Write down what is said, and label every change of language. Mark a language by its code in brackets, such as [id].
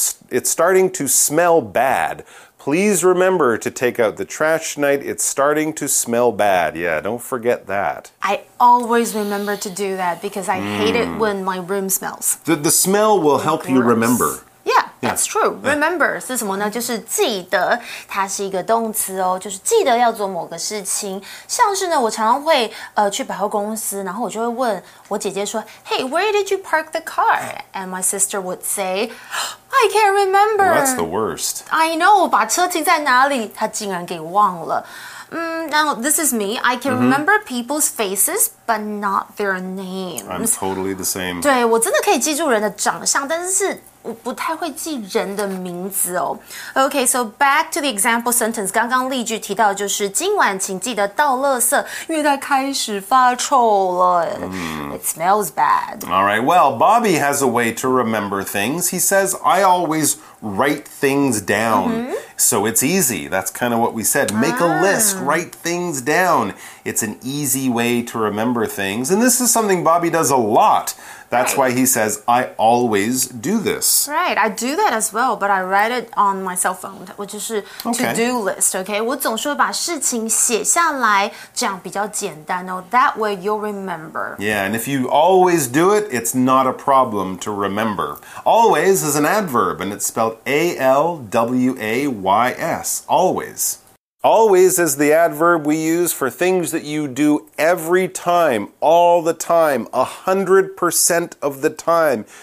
[en] It's starting to smell bad. Please remember to take out the trash tonight. It's starting to smell bad. Yeah, don't forget that. I always remember to do that because I hate it when my room smells. The smell will help you remember. Yeah, that's true. Remember [zh] 是什么呢？就是记得，它是一个动词哦，就是记得要做某个事情。像是呢，我常常会去百货公司，然后我就会问我姐姐说 ， [en] Hey, where did you park the car? And my sister would say, I can't remember. Well, that's the worst. I know, [zh] 把车停在哪里，她竟然给忘了。 [en] Now, this is me. I can remember people's faces, but not their names. I'm totally the same. [zh] 对，我真的可以记住人的长相，但是我不太会记人的名字哦。 [en] Okay, so back to the example sentence. [zh] 刚刚例句提到就是今晚请记得倒垃圾，因为它开始发臭了。 [en] It smells bad. All right, well, Bobby has a way to remember things. He says, I always write things down. So it's easy. That's kind of what we said. Make a list, write things down. It's an easy way to remember things. And this is something Bobby does a lot. That's why he says, I always do this. Right, I do that as well, but I write it on my cell phone, which is a to-do list, okay? [zh] 我总是会把事情写下来，这样比较简单哦。 [en] That way you'll remember. Yeah, and if you always do it, it's not a problem to remember. Always is an adverb, and it's spelled A-L-W-A-Y-S, always. Always is the adverb we use for things that you do every time, all the time, 100% of the time.